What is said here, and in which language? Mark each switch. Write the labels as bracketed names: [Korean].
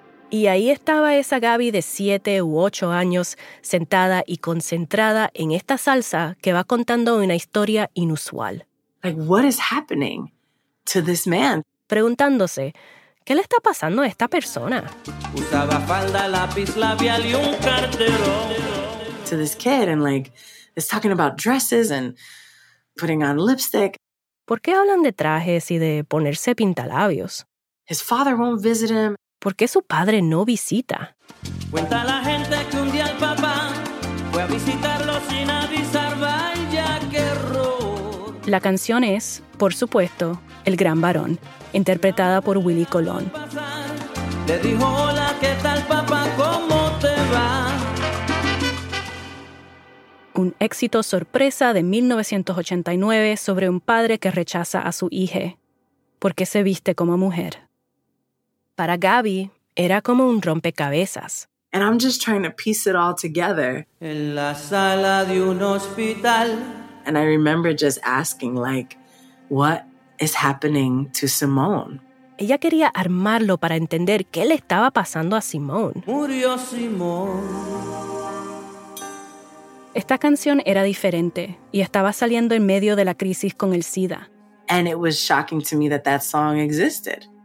[Spanish] Y ahí estaba esa Gaby de 7 u 8 años, sentada y concentrada en esta salsa que va contando una historia inusual. [English] Like, what is happening to this man? [Spanish] Preguntándose, ¿qué le está pasando a esta persona? Usaba falda, lápiz, labial y un cartero. [English] To this kid and like, it's talking about dresses and putting on lipstick. [Spanish] ¿Por qué hablan de trajes y de ponerse pintalabios? [English] His father won't visit him. [Spanish] ¿Por qué su padre no visita? Cuenta la gente que un día el papá fue a visitarlo sin avisar, vaya que La canción es, por supuesto, El gran varón, interpretada por Willy Colón. Le dijo, hola, ¿qué tal, papá? ¿Cómo te va? Un éxito sorpresa de 1989 sobre un padre que rechaza a su hije porque se viste como mujer. Para Gaby, era como un rompecabezas. [English] And I'm just trying to piece it all together. [Spanish] En la sala de un hospital. [English] And I remember just asking, like, what is happening to Simón? [Spanish] Ella quería armarlo para entender qué le estaba pasando a Simón. Murió Simón. Esta canción era diferente y estaba saliendo en medio de la crisis con el SIDA. [English] And it was shocking to me that that song existed.